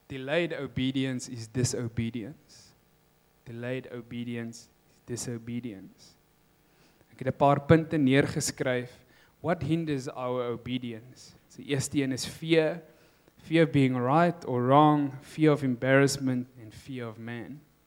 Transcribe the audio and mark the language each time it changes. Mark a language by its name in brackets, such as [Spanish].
[English] Delayed obedience is disobedience. Delayed obedience is disobedience. [Afrikaans] Ek het 'n paar punte neergeskryf. [English] What hinders our obedience? [Afrikaans] So eerste een is [English] fear. Fear of being right or wrong, fear of embarrassment and fear of man.